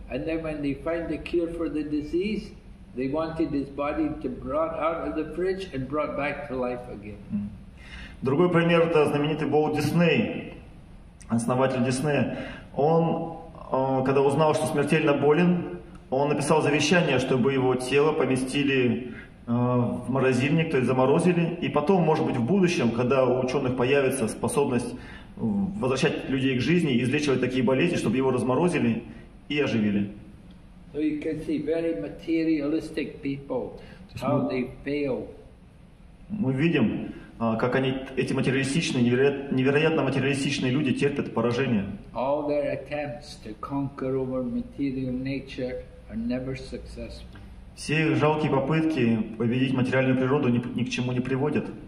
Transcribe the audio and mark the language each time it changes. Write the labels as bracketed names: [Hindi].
[English] And then when they find the cure for the disease, they wanted his body to brought out of the fridge and brought back to life again. [Russian] Другой пример — это знаменитый Walt Disney, основатель Disney. Он, когда узнал, что смертельно болен, он написал завещание, чтобы его тело поместили в морозильник, то есть заморозили, и потом, может быть, в будущем, когда у ученых появится способность возвращать людей к жизни, излечивать такие болезни, чтобы его разморозили и оживили. [English] So you can see very materialistic people, how they fail. [Russian] Мы видим, как они, эти материалистичные, невероятно материалистичные люди терпят поражение. [English] All their attempts to conquer over material nature are never successful. [Russian] Все их жалкие попытки победить материальную природу ни к чему не приводят.